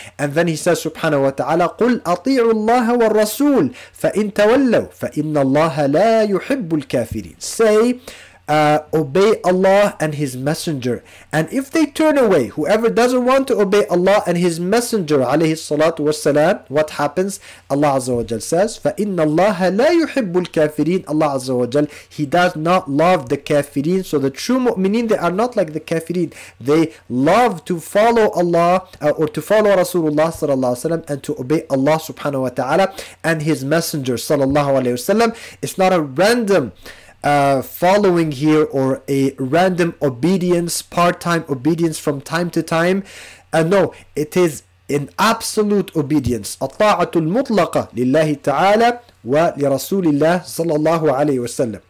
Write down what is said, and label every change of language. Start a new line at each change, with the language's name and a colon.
English: And then He says, subhanahu
Arabic: وتعالى قل أطيعوا الله والرسول فإن تولوا فإن الله لا يحب الكافرين.
English: Say, obey Allah and His Messenger, and if they turn away, whoever doesn't want to obey Allah and His Messenger
Arabic: عليه الصلاة والسلام,
English: what happens?
Arabic: Allah عز وجل says, فإن الله لا يحب الكافرين.
English: Allah
Arabic: عز وجل,
English: He does not love the kafirin. So the true mu'minin, they are not like the kafirin. They love to follow Allah or to follow Rasulullah
Arabic: صلى الله عليه وسلم
English: and to obey Allah
Arabic: سبحانه وتعالى
English: and His Messenger صلى الله عليه وسلم. It's not a random following here, or a random obedience, part-time obedience from time to time. No, it is an absolute obedience.
Arabic: الطاعة المطلقة لله تعالى ولرسول الله صلى الله عليه وسلم.